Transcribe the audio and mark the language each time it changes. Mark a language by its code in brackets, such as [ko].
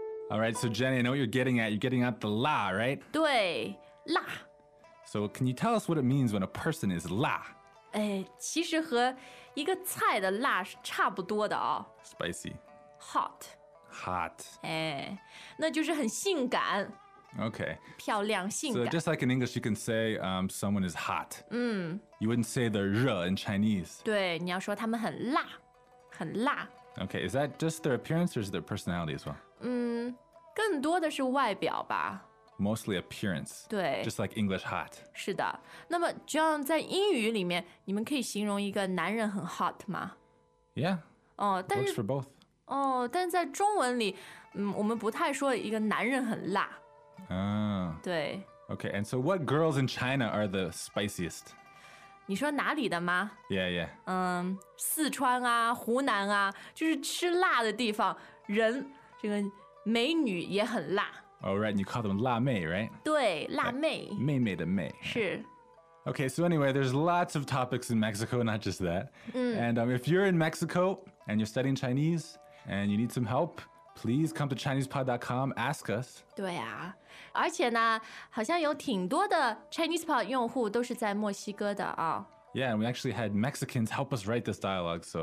[en] All right, so Jenny, I know what you're getting at. You're getting at the 辣, right? [zh] 对, 辣. [en] So can you tell us what it means when a person is 辣? [zh] 其实和一个菜的辣是差不多的哦。 [en] Spicy. Hot. Hot. [zh] 那就是很性感。 [en] Okay. [zh] 漂亮性感。 [en] So just like in English, you can say someone is hot. 嗯。 You wouldn't say they're 热 in Chinese. [zh] 对, 你要说他们很辣。很辣。 [en] Okay, is that just their appearance or is it their personality as well? [zh] 更多的是外表吧。 [en] Mostly appearance. [zh] 对。 [en] Just like English hot. [zh] 是的。那么 John, 在英语里面你们可以形容一个男人很 hot 吗? [en] Yeah. [zh] 但是 [en] works for both. [zh] 但在中文里我们不太说一个男人很辣。对。 [en] Okay, and so what girls in China are the spiciest? [zh] 你说哪里的吗 [en] Yeah, yeah. [zh] 四川啊湖南啊就是吃辣的地方人这个美女也很辣。 [en] Oh, right, you call them 辣妹, right? [zh] 对辣妹。 [en] Like, [zh] 妹妹的妹。是。 [en] Okay, so anyway, there's lots of topics in Mexico, not just that. And if you're in Mexico and you're studying Chinese and you need some help, please come to ChinesePod.com, ask us. [zh] 对啊。而且呢好像有挺多的 ChinesePod 用户都是在墨西哥的啊。 [en] Yeah, and we actually had Mexicans help us write this dialogue, so.